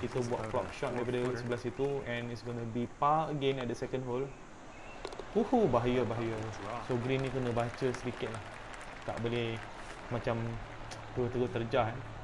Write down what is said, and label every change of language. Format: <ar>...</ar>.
<ms>Kita buat flop shot daripada sebelah situ.</ms> <en>And it's going to be par again at the second hole.</en> <ms>Bahaya, bahaya. So green ni kena baca sedikit lah. Tak boleh macam terus-terus terjah eh.</ms>